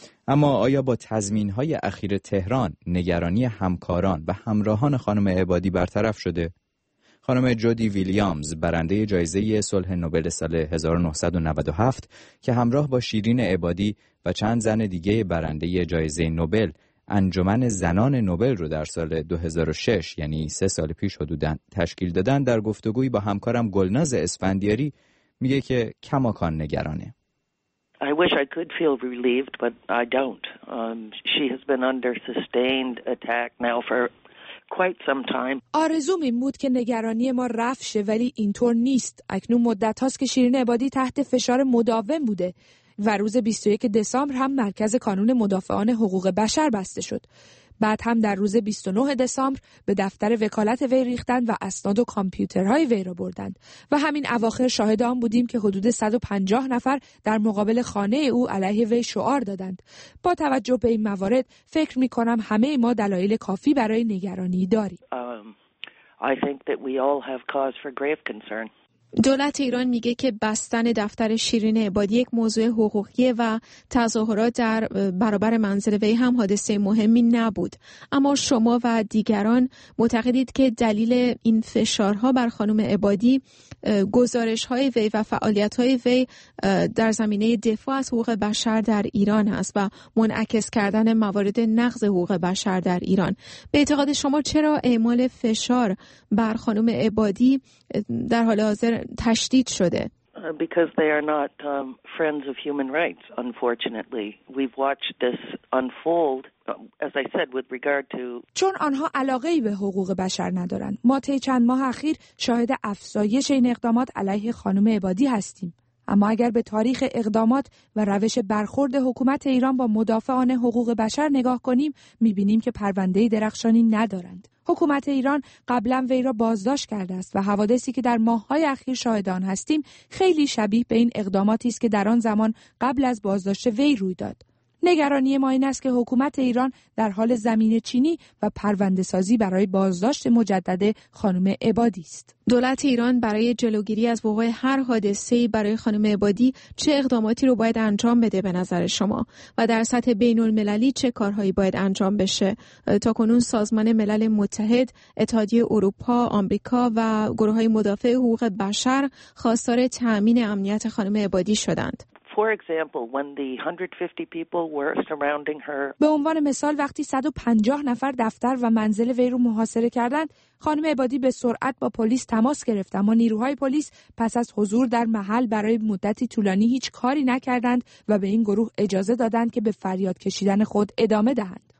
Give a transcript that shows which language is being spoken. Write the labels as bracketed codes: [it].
[fa] اما آیا با تضمین های اخیر تهران نگرانی همکاران و همراهان خانم عبادی برطرف شده؟ خانم جودی ویلیامز برنده جایزه صلح نوبل سال 1997 که همراه با شیرین عبادی و چند زن دیگه برنده جایزه نوبل انجمن زنان نوبل رو در سال 2006 یعنی 3 سال پیش حدوداً تشکیل دادن، در گفتگوی با همکارم گلناز اسفندیاری میگه که کماکان نگرانه. [en] I wish I could feel relieved but I don't. She has been under sustained attack now for quite some time. [fa] آرزوم این بود که نگرانی ما رفع شه، ولی اینطور نیست. اکنون مدت هاست که شیرین عبادی تحت فشار مداوم بوده و روز 21 دسامبر هم مرکز کانون مدافعان حقوق بشر بسته شد. بعد هم در روز 29 دسامبر به دفتر وکالت وی ریختند و اسناد و کامپیوترهای وی را بردند و همین اواخر شاهد آن بودیم که حدود 150 نفر در مقابل خانه او علیه وی شعار دادند. با توجه به این موارد فکر می کنم همه ما دلایل کافی برای نگرانی داریم. [en] I think that we all have cause for grave concern. [fa] دولت ایران میگه که بستن دفتر شیرین عبادی یک موضوع حقوقیه و تظاهرات در برابر منزل وی هم حادثه مهمی نبود. اما شما و دیگران معتقدید که دلیل این فشارها بر خانم عبادی گزارش‌های وی و فعالیت‌های وی در زمینه دفاع از حقوق بشر در ایران است و منعکس کردن موارد نقض حقوق بشر در ایران. به اعتقاد شما چرا اعمال فشار بر خانم عبادی در حال حاضر تشدید شده؟ [en] Because they are not friends of human rights, unfortunately. We've watched this unfold, as I said, with regard to. [fa] چون آنها علاقه ای به حقوق بشر ندارند. ما طی چند ماه اخیر شاهد افزایش این اقدامات علیه خانم عبادی هستیم. اما اگر به تاریخ اقدامات و روش برخورد حکومت ایران با مدافعان حقوق بشر نگاه کنیم، می‌بینیم که پرونده‌ای درخشانی ندارند. حکومت ایران قبلا وی را بازداشت کرده است و حوادثی که در ماه‌های اخیر شاهد آن هستیم خیلی شبیه به این اقداماتی است که در آن زمان قبل از بازداشت وی روی داد. نگرانی ما این است که حکومت ایران در حال زمینه چینی و پرونده سازی برای بازداشت مجدد خانم عبادی است. دولت ایران برای جلوگیری از وقوع هر حادثه‌ای برای خانم عبادی چه اقداماتی رو باید انجام بده به نظر شما و در سطح بین‌المللی چه کارهایی باید انجام بشه؟ تا کنون سازمان ملل متحد، اتحادیه اروپا، آمریکا و گروه‌های مدافع حقوق بشر خواستار تأمین امنیت خانم عبادی شدند. [en] For example, when the 150 people were surrounding her. [fa] به عنوان مثال وقتی 150 نفر دفتر و منزل وی رو محاصره کردند، خانم عبادی به سرعت با پلیس تماس گرفت، اما نیروهای پلیس پس از حضور در محل برای مدتی طولانی هیچ کاری نکردند و به این گروه اجازه دادند که به فریاد کشیدن خود ادامه دهند.